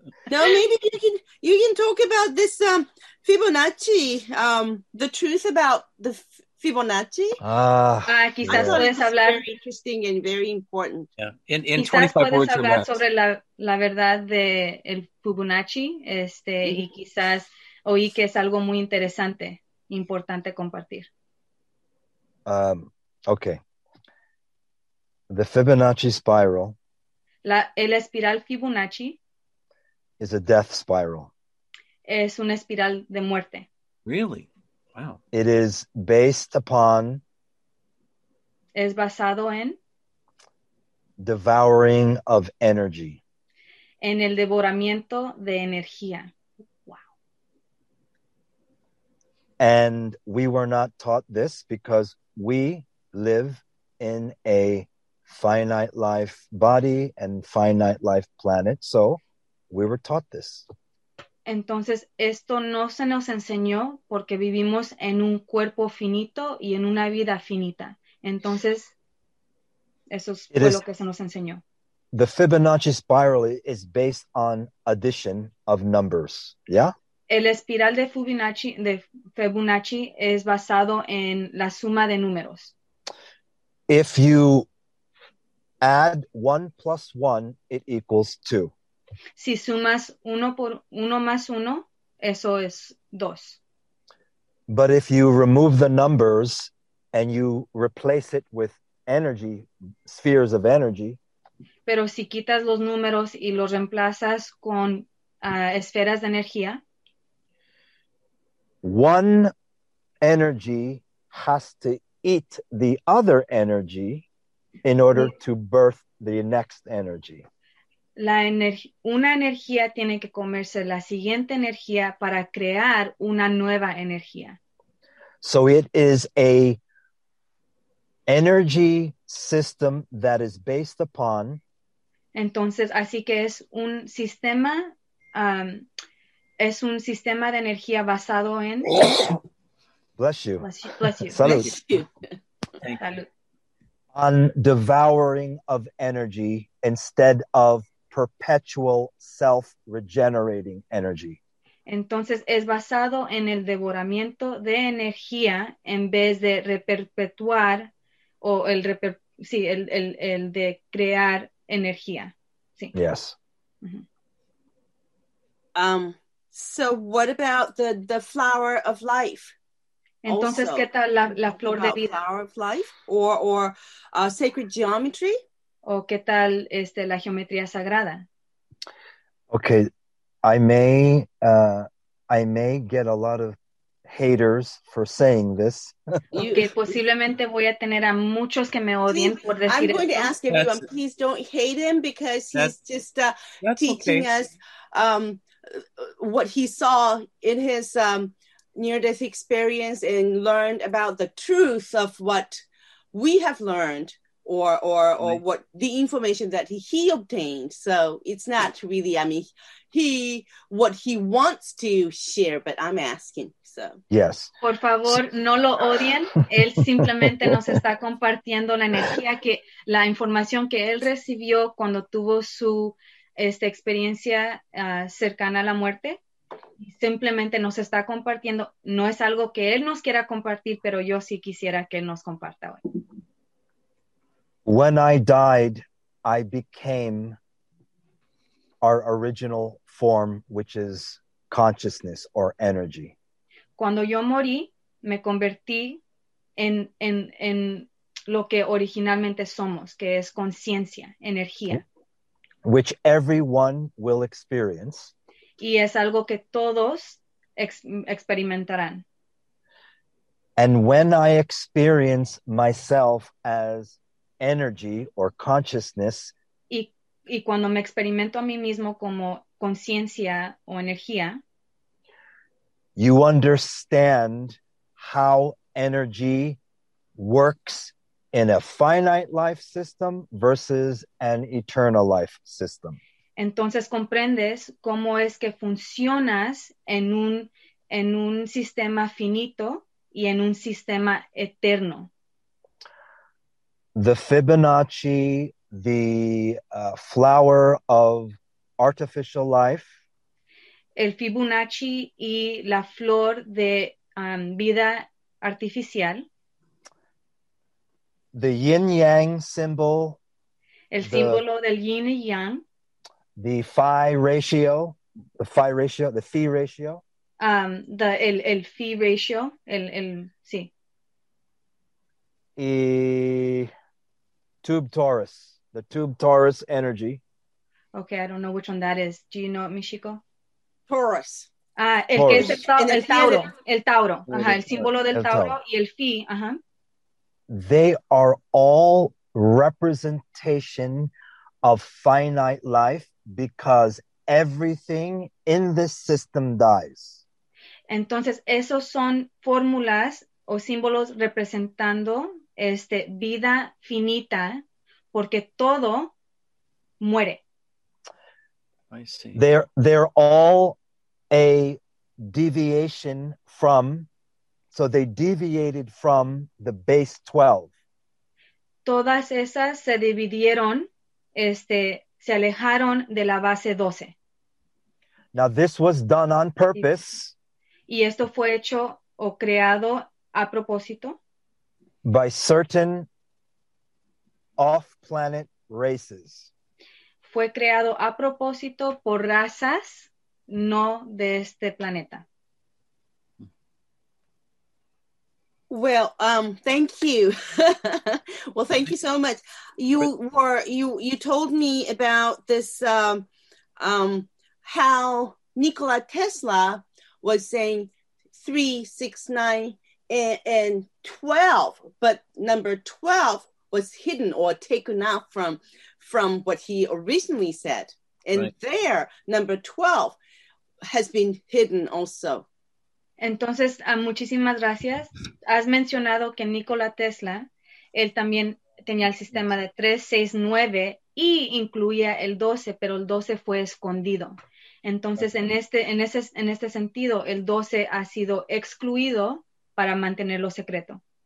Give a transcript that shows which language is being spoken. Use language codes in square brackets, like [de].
[en] No, maybe you can talk about this Fibonacci, the truth about the Fibonacci. [es] Quizás puedes hablar. [en] Very interesting and very important. Yeah. In 25 words or less. [es] Sobre la verdad de el Fibonacci, mm-hmm. y quizás. Oí que es algo muy interesante. importante compartir. [en] Okay. The Fibonacci spiral. [es] El espiral Fibonacci. [en] Is a death spiral. [es] Es una espiral de muerte. [en] Really? Wow. It is based upon. [es] Es basado en. [en] Devouring of energy. [es] En el devoramiento de energía. [en] Wow. And we were not taught this because we live in a finite life body and finite life planet. So we were taught this. [es] Entonces, esto no se nos enseñó porque vivimos en un cuerpo finito y en una vida finita. Entonces, eso fue lo que se nos enseñó. [en] The Fibonacci spiral is based on addition of numbers, yeah? [es] El espiral de Fibonacci es basado en la suma de números. [en] If you add 1 + 1, it equals 2. [es] Si sumas 1 + 1, eso es 2. [en] But if you remove the numbers and you replace it with energy, spheres of energy. [es] Pero si quitas los números y los reemplazas con esferas de energía. [en] One energy has to eat the other energy in order to birth the next energy. [es] Una energía tiene que comerse la siguiente energía para crear una nueva energía. [en] So it is a energy system that is based upon. [es] Entonces, así que es un sistema de energía basado en. [en] Bless you. Bless you. [es] Salud. [en] On devouring of energy instead of perpetual self-regenerating energy. [es] Entonces, es basado en el devoramiento de energía en vez de reperpetuar o el reper, sí, el de crear energía. Sí. [en] Yes. Mm-hmm. So what about the flower of life? [es] Entonces, [en] also, [es] ¿qué tal la flor de vida? [en] Flower of life or sacred geometry? [es] ¿O qué tal la geometría sagrada? [en] Okay, I may get a lot of haters for saying this. [es] Que posiblemente voy a tener a muchos que me odien por decir. [en] I'm going to ask everyone, please don't hate him because he's just teaching us what he saw in his near-death experience and learned about the truth of what we have learned or what the information that he obtained. So it's not really, I mean, what he wants to share, but I'm asking. So. Yes. [es] Por favor, no lo odien. Él simplemente nos está compartiendo la energía que la información que él recibió cuando tuvo su experiencia cercana a la muerte. Simplemente nos está compartiendo. No es algo que él nos quiera compartir, pero yo sí quisiera que él nos comparta hoy. [en] When I died, I became our original form, which is consciousness or energy. [es] Cuando yo morí, me convertí en lo que originalmente somos, que es conciencia, energía. [en] Which everyone will experience. [es] Y es algo que todos experimentarán. [en] And when I experience myself as energy or consciousness. [es] Y cuando me experimento a mí mismo como conciencia o energía. [en] You understand how energy works in a finite life system versus an eternal life system. [es] Entonces comprendes cómo es que funcionas en un sistema finito y en un sistema eterno. [en] The Fibonacci, the flower of artificial life. [es] El Fibonacci y la flor de vida artificial. [en] The yin-yang symbol. [es] El símbolo del yin y yang. [en] The phi ratio. The phi ratio. [es] el fee ratio, el sí. [en] Y tube torus, the tube torus energy. Okay, I don't know which one that is. Do you know it, Michiko? Torus. [es] Ah, el Taurus. Que es el Tauro, el Tauro, ajá, el símbolo del Tauro y el Fi, ajá. [en] They are all representation of finite life because everything in this system dies. [es] Entonces, esos son fórmulas o símbolos representando vida finita porque todo muere. [en] I see. They're all a deviation from, so they deviated from the base 12. [es] Todas esas se dividieron, se alejaron de la base 12. [en] Now this was done on purpose. [es] Y esto fue hecho o creado a propósito. [en] By certain off-planet races. [es] Fue creado a propósito por razas no de este planeta. [en] Well, thank you. Well, thank you so much. You told me about this, how Nikola Tesla was saying 3, 6, 9 and 12, but number 12 was hidden or taken out from what he originally said. And right. There, number 12 has been hidden also. [es] Entonces, muchísimas gracias. Has mencionado que Nikola Tesla, él también tenía el sistema de 3, 6, 9 y incluía el 12, pero el 12 fue escondido. Entonces, okay. en este sentido, el 12 ha sido excluido para mantenerlo secreto.